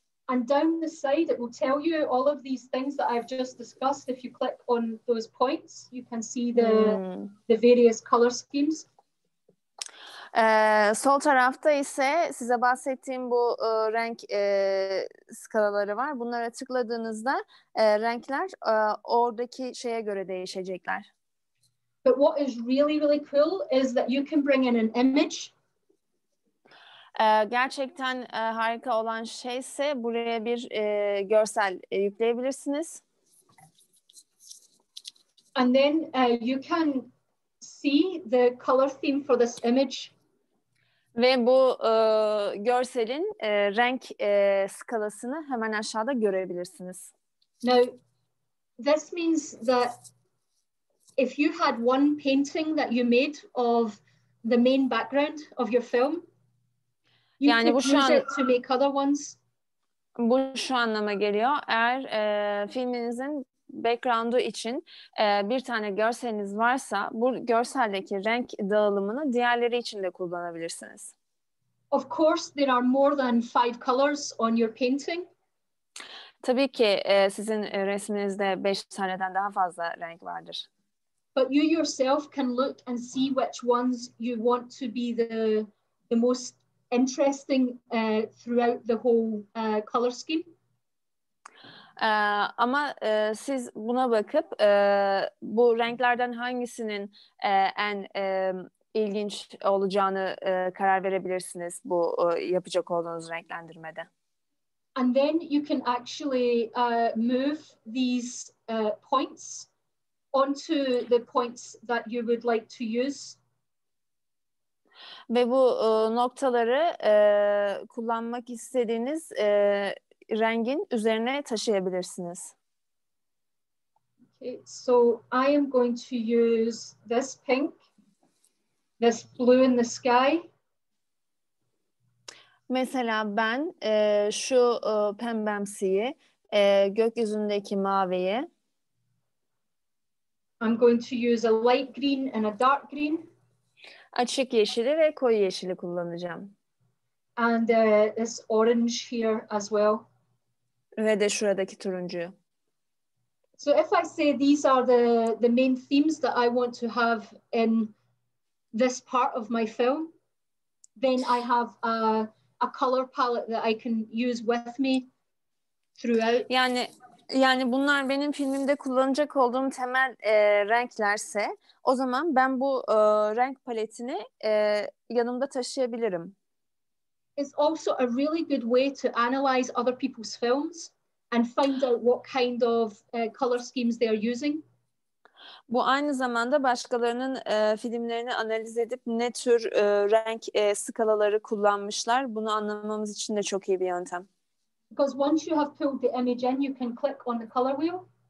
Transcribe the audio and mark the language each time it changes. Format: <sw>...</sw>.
<en>And down the side it will tell you all of these things that I've just discussed. If you click on those points, you can see the the various color schemes.</en> <tr>Sol tarafta ise size bahsettiğim bu renk skalaları var. Bunlara tıkladığınızda renkler oradaki şeye göre değişecekler.</tr> <en>But what is really, really cool is that you can bring in an image.</en> <tr>Gerçekten harika olan şey ise buraya bir görsel yükleyebilirsiniz.</tr> <en>And then you can see the color theme for this image.</en> <tr>Ve bu görselin renk skalasını hemen aşağıda görebilirsiniz.</tr> <en>Now, this means that if you had one painting that you made of the main background of your film, you</en> <tr>yani</tr> <en>could use it to make other ones.</en> <tr>Bu şu anlama geliyor. Eğer filminizin background'u için bir tane görseliniz varsa, bu görseldeki renk dağılımını diğerleri için de kullanabilirsiniz.</tr> <en>Of course, there are more than five colors on your painting.</en> <tr>Tabii ki sizin resminizde 5 taneden daha fazla renk vardır.</tr> <en>But you yourself can look and see which ones you want to be the most interesting throughout the whole color scheme.</en> <tr>Ama siz buna bakıp bu renklerden hangisinin en ilginç olacağını karar verebilirsiniz bu yapacak olduğunuz renklendirmede.</tr> <en>And then you can actually move these points onto the points that you would like to use.</en> <tr>Ve bu noktaları kullanmak istediğiniz rengin üzerine taşıyabilirsiniz.</tr> <en>Okay, so I am going to use this pink. This blue in the sky.</en> <tr>Mesela ben şu pembemsiyi, gökyüzündeki maviyi.</tr> <en>I'm going to use a light green and a dark green.</en> <tr>Açık yeşili ve koyu yeşili kullanacağım.</tr> <en>And this orange here as well.</en> <tr>Ve de şuradaki turuncuyu.</tr> <en>So if I say these are the main themes that I want to have in this part of my film, then I have a color palette that I can use with me throughout.</en> <tr>Yani bunlar benim filmimde kullanacak olduğum temel renklerse, o zaman ben bu renk paletini yanımda taşıyabilirim.</tr> <en>It's also a really good way to analyze other people's films and find out what kind of color schemes they are using.</en> <tr>Bu aynı zamanda başkalarının filmlerini analiz edip ne tür renk skalaları kullanmışlar, bunu anlamamız için de çok iyi bir yöntem.</tr> <en>Because once you have pulled the image in, you can click on the color wheel.</en>